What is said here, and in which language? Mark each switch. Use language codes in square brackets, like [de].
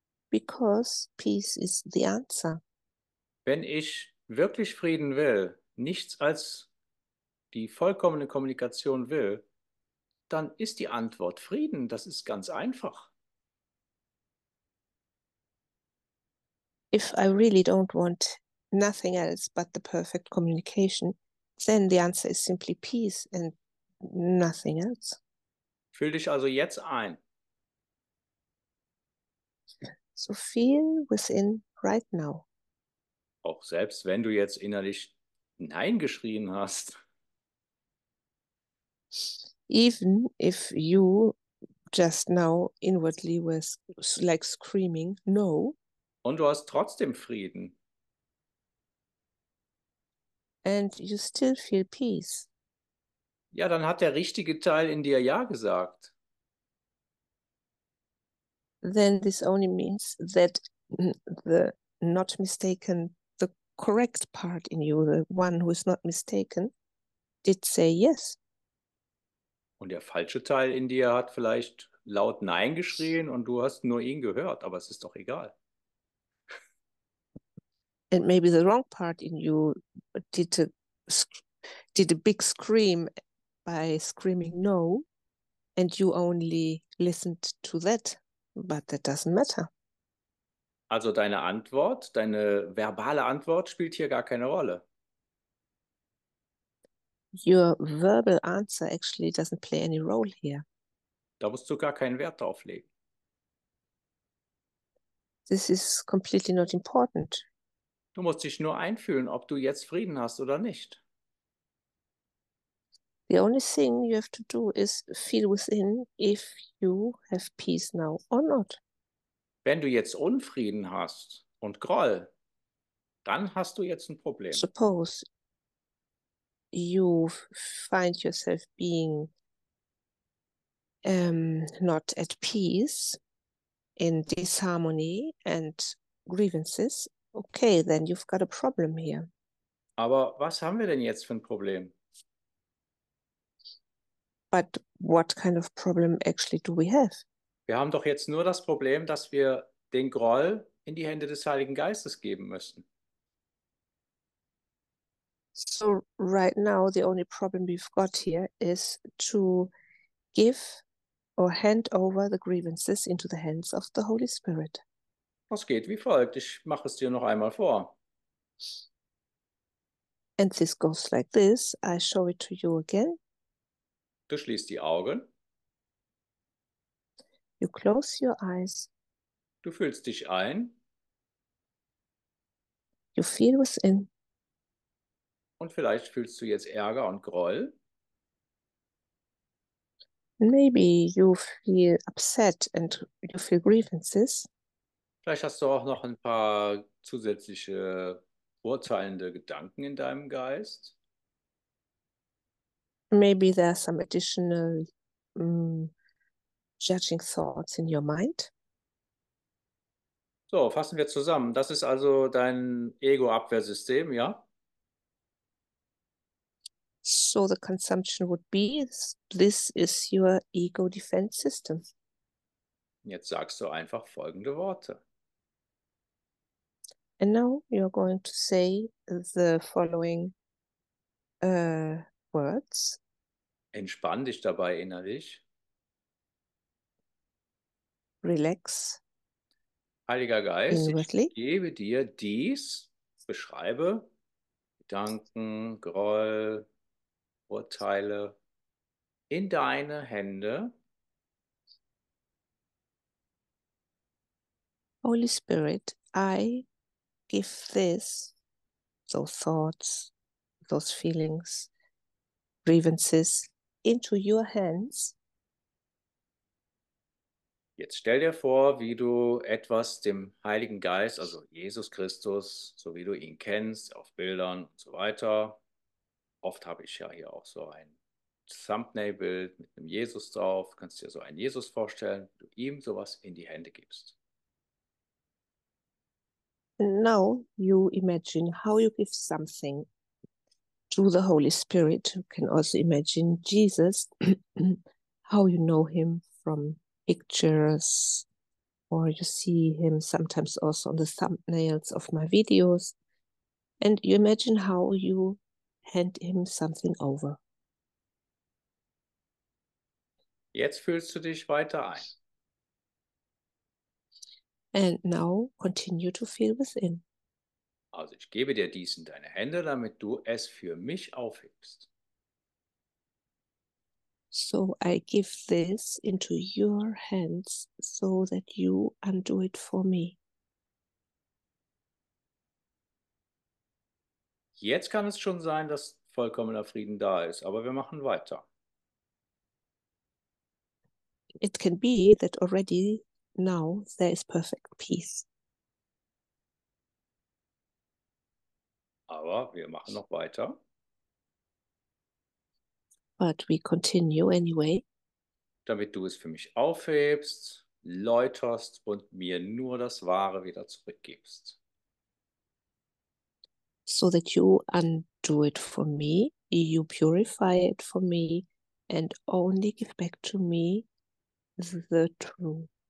[en] Because peace is the answer. [de] Wenn ich wirklich Frieden will, nichts als die vollkommene Kommunikation will, dann ist die Antwort Frieden. Das ist ganz einfach. [en] If I really don't want nothing else but the perfect communication, then the answer is simply peace and nothing else. [de] Fühl dich also jetzt ein. [en] So feel within right now. [de] Auch selbst wenn du jetzt innerlich Nein geschrien hast. [en] Even if you just now inwardly was like screaming no. [de] Und du hast trotzdem Frieden. [en] And you still feel peace. [de] Ja, dann hat der richtige Teil in dir Ja gesagt. [en] Then this only means that the not mistaken, the correct part in you, the one who is not mistaken, did say yes. [de] Und der falsche Teil in dir hat vielleicht laut Nein geschrien und du hast nur ihn gehört, aber es ist doch egal. [en] And maybe the wrong part in you did a big scream by screaming no, and you only listened to that, but that doesn't matter. [de] Also deine Antwort, deine verbale Antwort spielt hier gar keine Rolle. [en] Your verbal answer actually doesn't play any role here. [de] Da musst du gar keinen Wert drauf legen. [en] This is completely not important. [de] Du musst dich nur einfühlen, ob du jetzt Frieden hast oder nicht. [en] The only thing you have to do is feel within if you have peace now or not. [de] Wenn du jetzt Unfrieden hast und Groll, dann hast du jetzt ein Problem. [en] Suppose you find yourself being not at peace in disharmony and grievances. Okay, then you've got a problem here. [de] Aber was haben wir denn jetzt für ein Problem? [en] But what kind of problem actually do we have? [de] Wir haben doch jetzt nur das Problem, dass wir den Groll in die Hände des Heiligen Geistes geben müssen. [en] So right now the only problem we've got here is to give or hand over the grievances into the hands of the Holy Spirit. [de] Das geht wie folgt. Ich mache es dir noch einmal vor. [en] And this goes like this. I show it to you again. [de] Du schließt die Augen. [en] You close your eyes. [de] Du fühlst dich ein. [en] You feel within. [de] Und vielleicht fühlst du jetzt Ärger und Groll. [en] Maybe you feel upset and you feel grievances. [de] Vielleicht hast du auch noch ein paar zusätzliche urteilende Gedanken in deinem Geist. [en] Maybe there are some additional judging thoughts in your mind. [de] So, fassen wir zusammen. Das ist also dein Ego-Abwehrsystem, ja? [en] So the consumption would be, this is your ego defense system. [de] Jetzt sagst du einfach folgende Worte. [en] And now you're going to say the following words. [de] Entspann dich dabei innerlich. [en] Relax. [de] Heiliger Geist, [en] inwardly. [de] Ich gebe dir dies, beschreibe Gedanken, Groll, Urteile in deine Hände. [en] Holy Spirit, I give this, those thoughts, those feelings, grievances, into your hands. [de] Jetzt stell dir vor, wie du etwas dem Heiligen Geist, also Jesus Christus, so wie du ihn kennst, auf Bildern und so weiter. Oft habe ich ja hier auch so ein Thumbnail-Bild mit einem Jesus drauf, kannst dir so einen Jesus vorstellen, du ihm sowas in die Hände gibst. [en] Now you imagine how you give something to the Holy Spirit. You can also imagine Jesus, how you know him from pictures, or you see him sometimes also on the thumbnails of my videos. And you imagine how you hand him something over. [de] Jetzt fühlst du dich weiter ein. [en] And now continue to feel within. [de] Also ich gebe dir dies in deine Hände, damit du es für mich aufhebst. [en] So I give this into your hands, so that you undo it for me. [de] Jetzt kann es schon sein, dass vollkommener Frieden da ist, aber wir machen weiter. [en] It can be that already now there is perfect peace. [de] Aber wir machen noch weiter. [en] But we continue anyway. [de] Damit du es für mich aufhebst, läuterst und mir nur das Wahre wieder zurückgibst. [en] So that you undo it for me, you purify it for me and only give back to me the true.